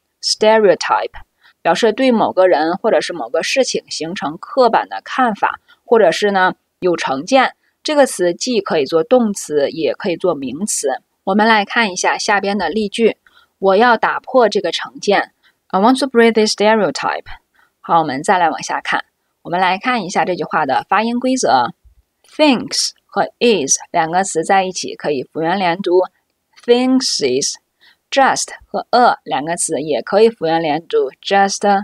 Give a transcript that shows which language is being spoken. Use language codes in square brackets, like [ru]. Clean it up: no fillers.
[en] Stereotype. [zh] 表示对某个人或者是某个事情形成刻板的看法，或者是呢有成见。这个词既可以做动词，也可以做名词。我们来看一下下边的例句：我要打破这个成见。 [en] I want to break this stereotype. [zh] 好，我们再来往下看。我们来看一下这句话的发音规则。Thinks 和 is 两个词在一起可以复元连读 ， [en] thinks is。 [zh] Just 和 a 两个词也可以复元连读 ，just。